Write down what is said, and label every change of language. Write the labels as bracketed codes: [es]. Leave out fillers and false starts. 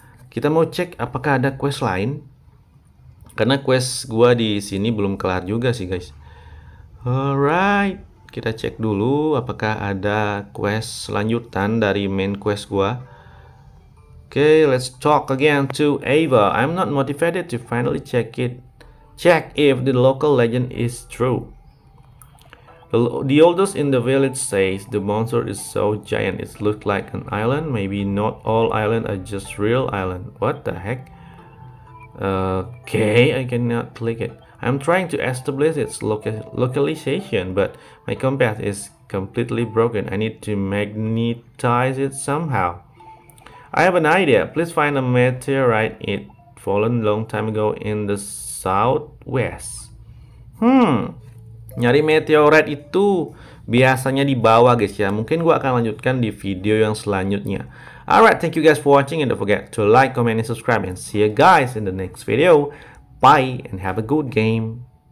[id] Kita mau cek apakah ada quest lain. Karena quest gua di sini belum kelar juga sih, guys. Alright. Kita cek dulu apakah ada quest lanjutan dari main quest gua. [en] Okay, let's talk again to Ava. I'm not motivated to finally check if the local legend is true. The oldest in the village says the monster is so giant it looks like an island. Maybe not all island are just real island. What the heck? Okay, I cannot click it. I'm trying to establish its localization, but my compass is completely broken. I need to magnetize it somehow. I have an idea. Please find a meteorite. It fallen long time ago in the southwest. [id] Nyari meteorite itu biasanya di bawah, guys, ya. Mungkin gua akan lanjutkan di video yang selanjutnya. [en] Alright, thank you guys for watching, and don't forget to like, comment, and subscribe. And see you guys in the next video. Bye, and have a good game.